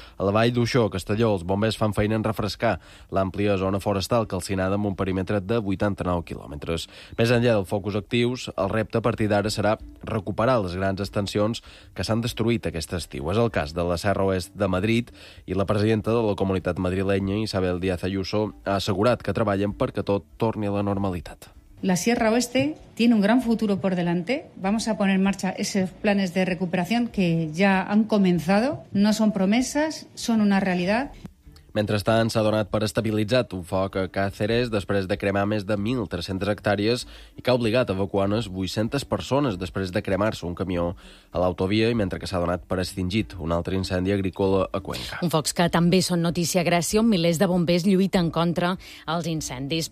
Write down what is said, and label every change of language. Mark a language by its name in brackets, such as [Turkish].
[Catalan] A la vall d'Uixó, Castelló, els bombers fan feina en refrescar l'àmplia zona forestal calcinada amb un perímetre de 89 quilòmetres. Més enllà dels focus actius, el repte a partir d'ara serà recuperar les grans extensions que s'han destruït aquest estiu. És el cas de la Serra Oest de Madrid i la presidenta de la comunitat madrilenya, Isabel Díaz Ayuso, ha assegurat que treballen perquè tot torni a la normalitat. [Spanish] La Sierra Oeste tiene un gran futuro por delante. Vamos a poner en marcha esos planes de recuperación que ya han comenzado. No son promesas, son una realidad. [Catalan] Mentrestant, s'ha donat per estabilitzat un foc a Càceres després de cremar més de 1.300 hectàrees i que ha obligat a evacuar unes 800 persones després de cremar-se un camió a l'autovia i mentre que s'ha donat per extingit un altre incendi agrícola a Cuenca. Un foc que també són notícia a Grècia on milers de bombers lluiten contra els incendis.